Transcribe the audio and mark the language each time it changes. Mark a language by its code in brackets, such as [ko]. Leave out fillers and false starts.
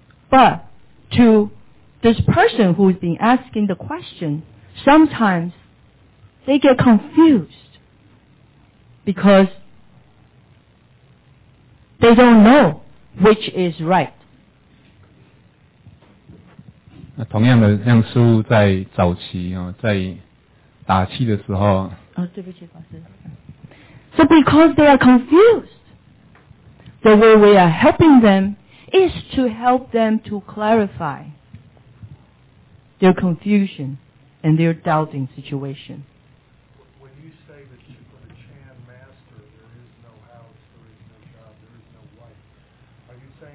[en] But to this person who's been asking the question, sometimes they get confused because they don't know which is right. [zh] 同样的，像师父在早期哦，在打气的时候。哦，对不起，法师。 [en] So because they are confused, the way we are helping them is to help them to clarify their confusion and their doubting situation. When you say that you put a Chan master, there is no house, there is no job, there is no wife.